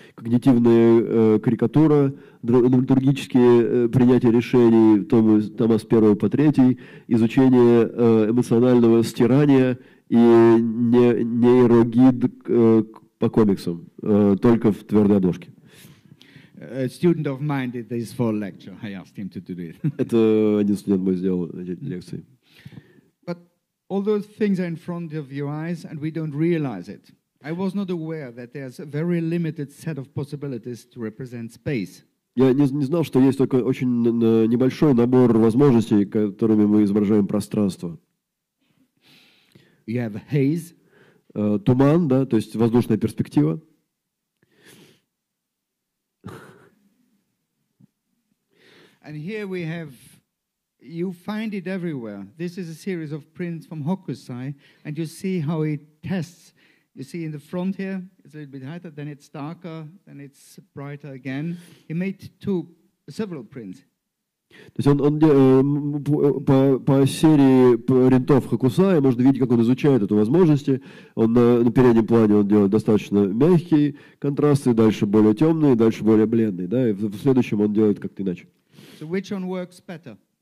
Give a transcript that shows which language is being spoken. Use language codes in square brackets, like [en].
[ru] Когнитивная карикатура, драматургические принятия решений, тома с первого по третий, изучение эмоционального стирания и нейрогид по комиксам, только в твердой обложке. [en] A student of mine did this for a lecture. I asked him to do it. [ru] Это один студент мой сделал лекции. [en] But all those things are in front of your eyes, and we don't realize it. I was not aware that there's a very limited set of possibilities to represent space. [ru] Я не знал, что есть только очень небольшой набор возможностей, которыми мы изображаем пространство. [en] You have a haze. [ru] Туман, да, то есть воздушная перспектива. [en] And here we have, you find it everywhere. This is a series of prints from Hokusai, and you see how it tests. You see in the front here, it's a little bit higher, then it's darker, then it's brighter again. He made several prints. [ru] То есть он по серии принтов Хокусая можно видеть, как он изучает эту возможность. Он на переднем плане он делает достаточно мягкие контрасты, дальше более темные, дальше более бледные. Да? И в следующем он делает как-то иначе. [en] So which one works better?